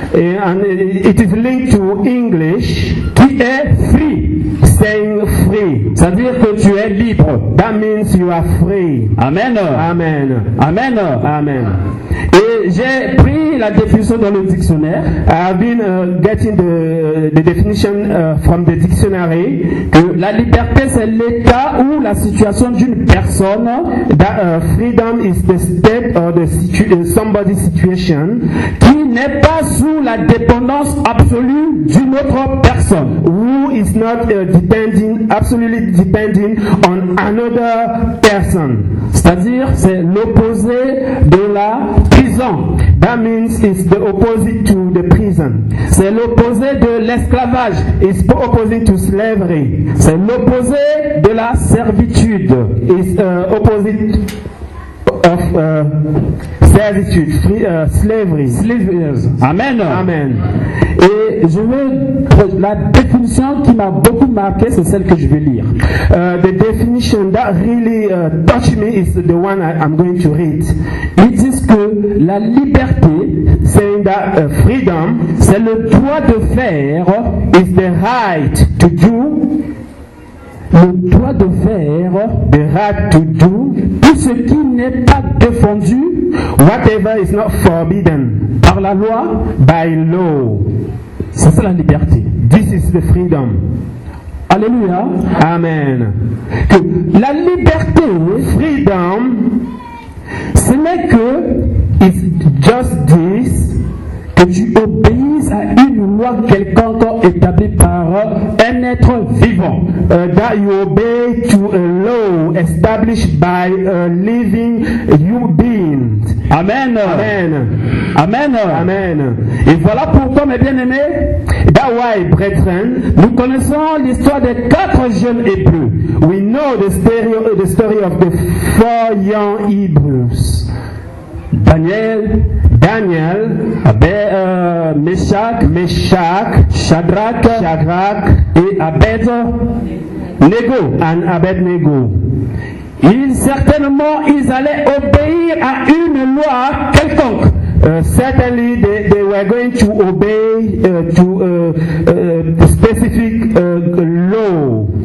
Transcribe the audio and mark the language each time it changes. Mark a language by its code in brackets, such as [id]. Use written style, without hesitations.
[en] And it is linked to English. [fr] Qui est [en] free. Saying free. [fr] Ça veut dire que tu es libre. [en] That means you are free. Amen. Amen. Amen. Amen. [fr] Et j'ai pris la définition dans le dictionnaire. [en] I have been getting the definition from the dictionary. [fr] Que la liberté, c'est l'état ou la situation d'une personne. [en] That freedom is the state or the somebody's situation. [fr] Qui n'est pas sous la dépendance absolue d'une autre personne. [en] Who is not depending, absolutely depending on another person. [fr] C'est-à-dire, c'est l'opposé de la prison. [en] That means it's the opposite to the prison. [fr] C'est l'opposé de l'esclavage. [en] It's opposite to slavery. [fr] C'est l'opposé de la servitude. [en] It's opposite of servitude, slavery. Slavery. Amen. Amen. [fr] Et je veux la définition qui m'a beaucoup marqué, c'est celle que je vais lire. [en] The definition that really touched me is the one I'm going to read. [fr] Ils disent que la liberté, [en] saying that freedom, [fr] c'est le droit de faire, [en] is the right to do. [fr] Le droit de faire, [en] the right to do, [fr] tout ce qui n'est pas défendu, [en] whatever is not forbidden, [fr] par la loi, [en] by law. [fr] C'est la liberté. [en] This is the freedom. [fr] Alléluia. Amen. Que la liberté, [en] freedom, [fr] ce n'est que, [en] it's just this, [fr] que tu obéisses à une loi quelconque établie par un être vivant. [en] That you obey to a law established by a living human being. Amen. Amen. Amen. Amen. [fr] Et voilà pourquoi, mes bien-aimés, [en] that's why, brethren, [fr] nous connaissons l'histoire des quatre jeunes Hébreux. [en] We know the story of the four young Hebrews. Daniel, Meshach, [fr] Shadrach, et Abednego. Ils certainement ils allaient obéir à une loi quelconque. [en] Certainly they were going to obey to specific law.